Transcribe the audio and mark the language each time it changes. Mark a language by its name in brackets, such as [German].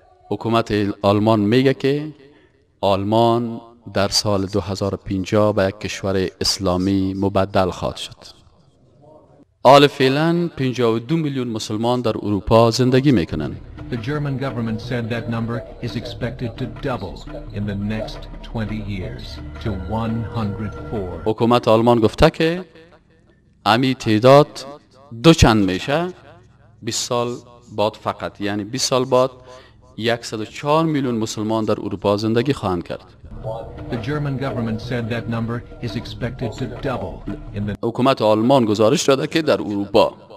[Persian] حکومت آلمان میگه که آلمان در سال 2050 به یک کشور اسلامی مبدل خواهد شد. آل فعلا 52 میلیون مسلمان در اروپا زندگی میکنند. [English] The German government said that number is expected to double in the next 20 years to 104. [Persian] حکومت آلمان گفته که امی تعداد دو چند میشه 20 سال بعد، فقط یعنی 20 سال بعد 104 میلیون مسلمان در اروپا زندگی خواهند کرد. [English] The German government said that number is expected to double in the [Persian] حکومت آلمان گزارش داده که در اروپا.